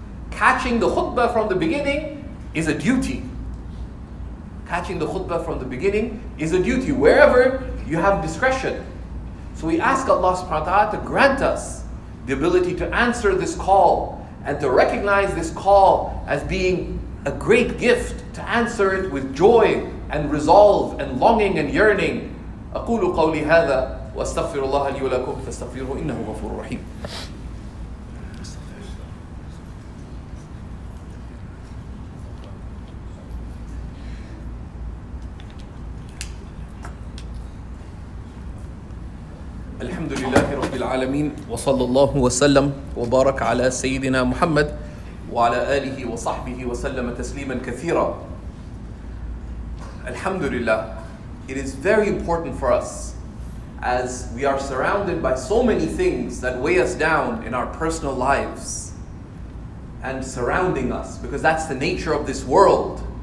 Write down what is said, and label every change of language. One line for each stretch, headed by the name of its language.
English: Catching the khutbah from the beginning is a duty. Catching the khutbah from the beginning is a duty. Wherever you have discretion. So we ask Allah subhanahu wa ta'ala to grant us the ability to answer this call and to recognize this call as being a great gift, to answer it with joy, and resolve and longing and yearning.
Arabic: أقول قولي هذا وأستغفر الله لي ولكم فاستغفروه إنه غفور رحيم. الحمد لله رب العالمين وصلى الله وسلم وبارك على سيدنا محمد وعلى آله وصحبه وسلم تسليما كثيرا. الحمد لله.
English: It is very important for us, as we are surrounded by so many things that weigh us down in our personal lives and surrounding us, because that's the nature of this world.